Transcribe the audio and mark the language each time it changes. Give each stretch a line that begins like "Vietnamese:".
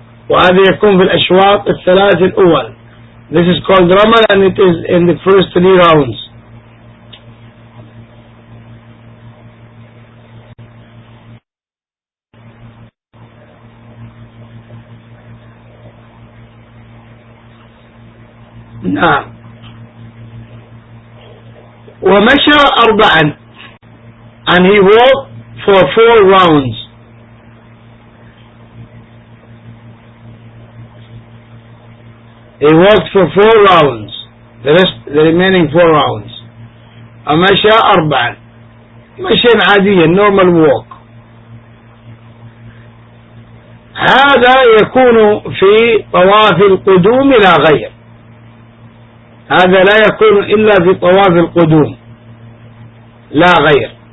Arabic: وهذا يكون في الأشواط الثلاث الأول.
English: This is called رمل and it is in the first three rounds.
Arabic: ومشى أربعا
English: and he walked for four rounds. He walked for four rounds, the remaining four rounds.
Arabic: ومشى أربعا, مشي عادي,
English: normal walk.
Arabic: هذا يكون في طواف القدوم لا غير. هذا لا يكون إلا في طواف القدوم لا غير.